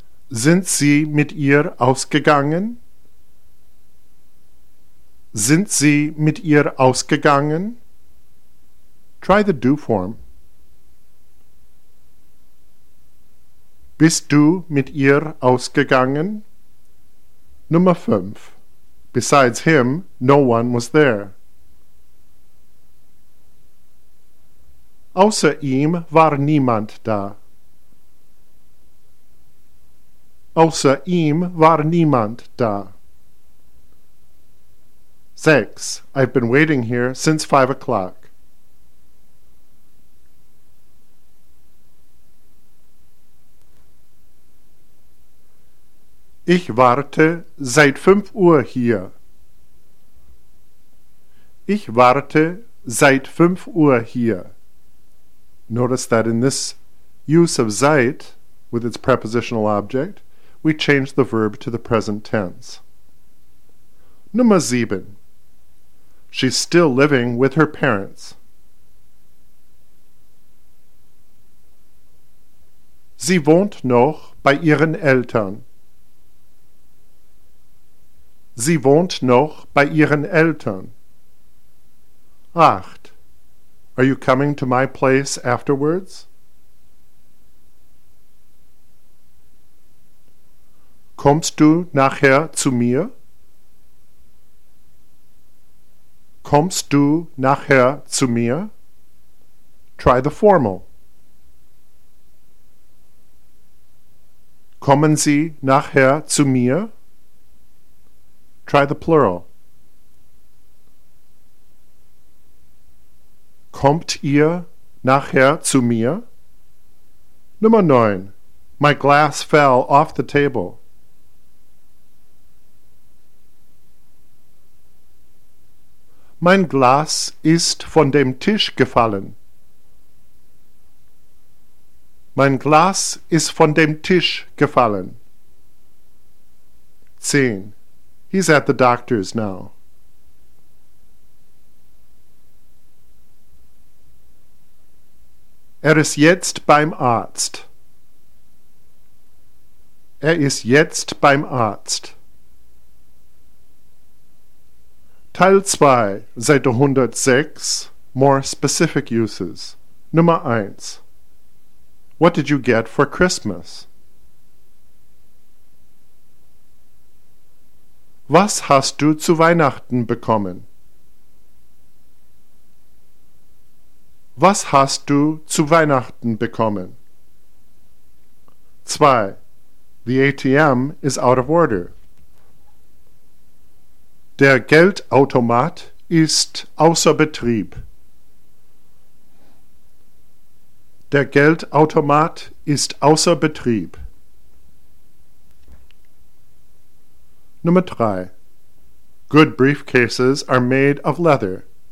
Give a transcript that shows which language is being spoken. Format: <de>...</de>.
<de>Sind Sie mit ihr ausgegangen? Sind Sie mit ihr ausgegangen?</de> <en>Try the do form.</en> <de>Bist du mit ihr ausgegangen? Nummer 5.</de> <en>Besides him, no one was there.</en> <de>Außer ihm war niemand da. Außer ihm war niemand da. 6.</de> <en>I've been waiting here since 5 o'clock.</en> <de>Ich warte seit 5 Uhr hier. Ich warte seit 5 Uhr hier.</de> <en>Notice that in this use of seit with its prepositional object, we change the verb to the present tense.</en> <de>Nummer 7.</de> <en>She's still living with her parents.</en> <de>Sie wohnt noch bei ihren Eltern. Sie wohnt noch bei ihren Eltern. 8.</de> <en>Are you coming to my place afterwards?</en> <de>Kommst du nachher zu mir? Kommst du nachher zu mir?</de> <en>Try the formal.</en> <de>Kommen Sie nachher zu mir?</de> <en>Try the plural.</en> <de>Kommt ihr nachher zu mir? Nummer 9.</de> <en>My glass fell off the table.</en> <de>Mein Glas ist von dem Tisch gefallen. Mein Glas ist von dem Tisch gefallen.</de> <en>10. He's at the doctor's now.</en> <de>Ist jetzt beim Arzt. Ist jetzt beim Arzt. Teil 2, Seite 106,</de> <en>more specific uses.</en> <de>Nummer 1.</de> <en>What did you get for Christmas?</en> <de>Was hast du zu Weihnachten bekommen? Was hast du zu Weihnachten bekommen? 2.</de> <en>The ATM is out of order.</en> <de>Der Geldautomat ist außer Betrieb. Der Geldautomat ist außer Betrieb. Nummer 3.</de> <en>Good briefcases are made of leather.</en>